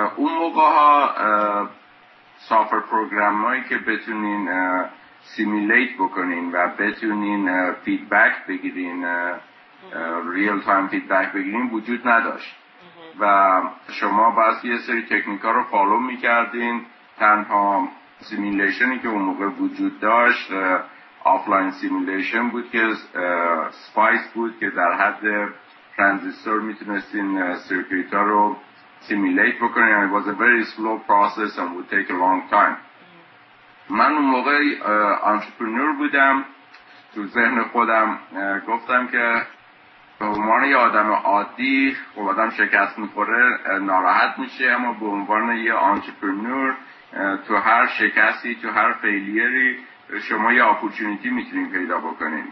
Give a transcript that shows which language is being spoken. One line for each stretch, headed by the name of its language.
Persian: اون موقع ها سافر پروگرام هایی که بتونین سیمیلیت بکنین و بتونین فیدبک بگیرین، ریل تایم فیدبک بگیرین وجود نداشت و شما باید یه سری تکنیک ها رو فالو میکردین. تنها سیمیلیشنی که اون موقع وجود داشت آفلاین سیمیلیشن بود که سپایس بود که در حد ترانزیستور میتونستین سرکیت ها رو simulate بکنیم.
English: It was a very slow process and would take a long time.
Persian: من اون موقع entrepreneur بودم، تو ذهن خودم گفتم که به عنوان یه آدم عادی خب آدم شکست میخوره ناراحت میشه، اما به عنوان یه entrepreneur تو هر شکستی، تو هر فیلیری شما یه opportunity میتونین پیدا بکنین.